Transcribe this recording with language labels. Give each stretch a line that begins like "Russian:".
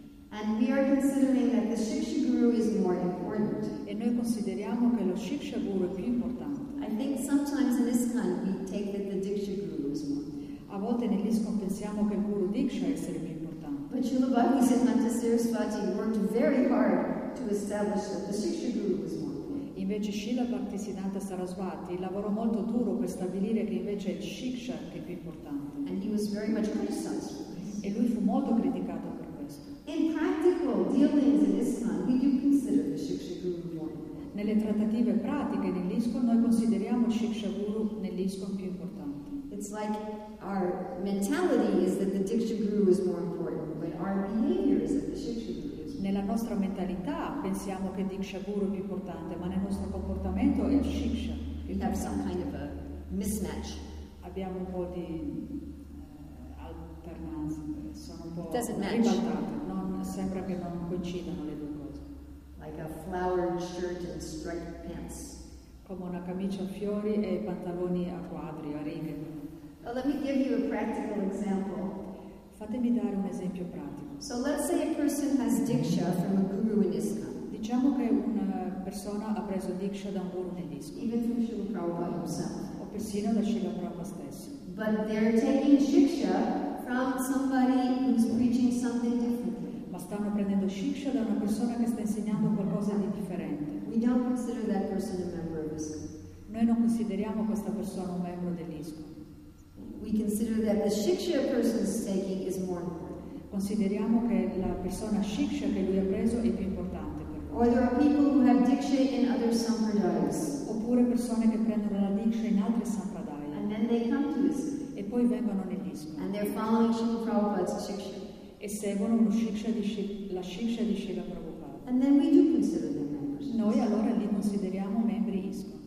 English: And we are considering that the shiksha guru is more important.
Italian: E noi consideriamo che lo shiksha guru è più importante.
English: I think sometimes in ISKCON we take that the diksha guru is more.
Italian: A volte nell'ISKCON pensiamo che il guru diksha essere più importante.
English: But Srila Bhakti Siddhanta Sarasvati worked very hard to establish that the shiksha guru is more.
Italian: Invece Srila Bhaktisiddhanta Sarasvati lavorò molto duro per stabilire che invece è il Shiksha che è più importante.
English: And he was very much criticized for this.
Italian: E lui fu molto criticato per questo.
English: In practical dealings in ISKCON, we do consider the Shiksha Guru more.
Italian: Nelle trattative pratiche dell'ISKCON, noi consideriamo il Shiksha Guru nell'ISKCON più importante.
English: It's like our mentality is that the Diksha Guru is more important, but our behavior is that the Shiksha Guru.
Italian: Nella nostra mentalità pensiamo che Diksha Guru è più importante, ma nel nostro comportamento è Shiksha.
English: We have some kind of a mismatch.
Italian: Abbiamo un po' di alternanza, sono un po' ribaltate. Non sembra che non coincidano le due cose.
English: Like a flowered shirt and striped pants.
Italian: Come una camicia a fiori e pantaloni a quadri, a righe.
English: Well, let me give you a practical example.
Italian: Fatemi dare un esempio pratico.
English: So let's say a person has diksha from a guru in ISKCON.
Italian: Diciamo che una persona ha preso diksha da un guru in ISKCON.
English: Even from Srila Prabhupada himself.
Italian: O persino da Srila Prabhupada stesso.
English: But they're taking shiksha from somebody who's preaching something different.
Italian: Ma stanno prendendo shiksha da una persona che sta insegnando qualcosa di differente.
English: We don't consider that person a member of ISKCON.
Italian: Noi non consideriamo questa persona un membro dell'ISKCON.
English: We consider that the shiksha person is taking is more important.
Italian: Consideriamo che la persona shiksha che lui ha preso è più importante per lui.
English: Or there are people who have diksha in other sampradayas.
Italian: Oppure persone che prendono la diksha in altre sampradaya.
English: And then they come to this.
Italian: E poi vengono nell'ISKCON.
English: And they're following Srila Prabhupada's shiksha.
Italian: E seguono lo shiksha di la shiksha di Srila Prabhupada.
English: And then we do consider them members.
Italian: Noi allora li consideriamo membri ISKCON.